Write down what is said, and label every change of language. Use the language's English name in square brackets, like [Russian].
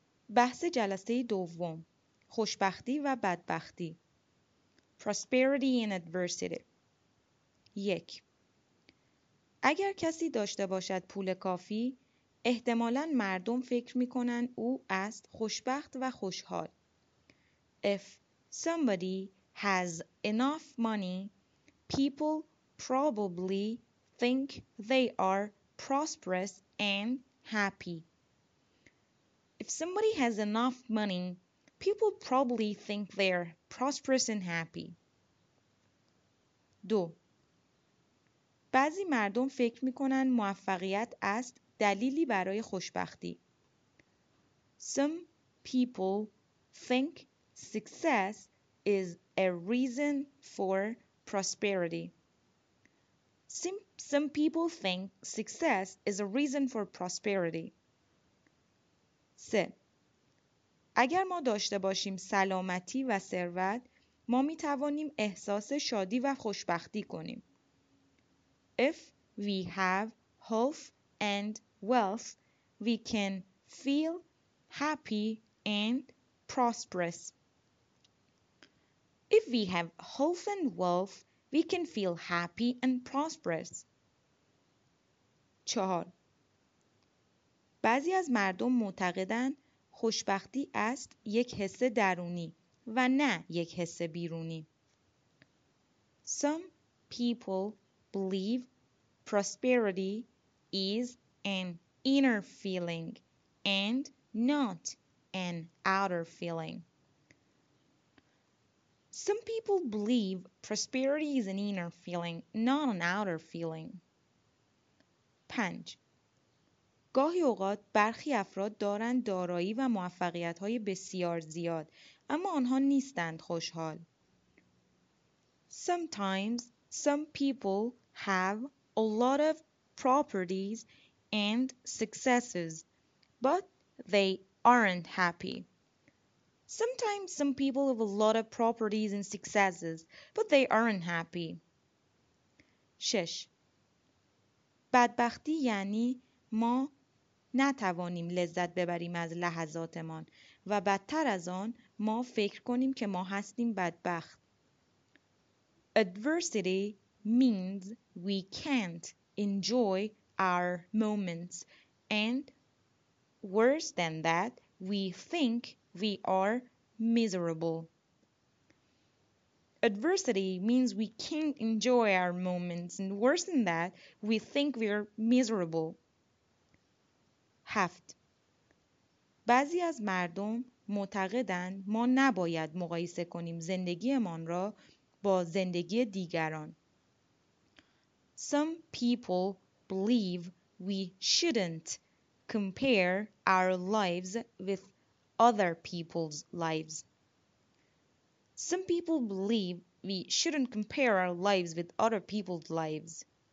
[Persian] بحث جلسه دوم، خوشبختی و بدبختی. [English] Prosperity and adversity. 1. [Persian] اگر کسی داشته باشد پول کافی، احتمالاً مردم فکر می‌کنند او است خوشبخت و خوشحال. [English] If somebody has enough money, people probably think they are prosperous and happy. If somebody has enough money, people probably think they are prosperous and happy. 2. [Persian] بعضی مردم فکر می‌کنند موفقیت است دلیلی برای خوشبختی. [English] Some people think success is a reason for prosperity. Some people think success is a reason for prosperity. 3. [Persian] اگر ما داشته باشیم سلامتی و ثروت، ما می توانیم احساس شادی و خوشبختی کنیم. [English] If we have health and wealth, we can feel happy and prosperous. If we have health and wealth, we can feel happy and prosperous. 4. [Persian] بعضی از مردم معتقدند خوشبختی است یک حس درونی و نه یک حس بیرونی. [English] Some people believe prosperity is an inner feeling and not an outer feeling. Some people believe prosperity is an inner feeling, not an outer feeling. 5. [Persian] گاهی اوقات برخی افراد دارند دارایی و موفقیت‌های بسیار زیاد، اما آنها نیستند خوشحال. [English] Sometimes some people have a lot of properties and successes, but they aren't happy. Sometimes some people have a lot of properties and successes, but they aren't happy. 6. [Persian] بدبختی یعنی ما نتوانیم لذت ببریم از لحظاتمان و بدتر از آن ما فکر کنیم که ما هستیم بدبخت. [English] Adversity means we can't enjoy our moments, and worse than that, we think we are miserable. Adversity means we can't enjoy our moments, and worse than that, we think we are miserable. 7. [Persian] بعضی از مردم معتقدند ما نباید مقایسه کنیم زندگیمان را با زندگی دیگران. [English] Some people believe we shouldn't compare our lives with other people's lives. Some people believe we shouldn't compare our lives with other people's lives.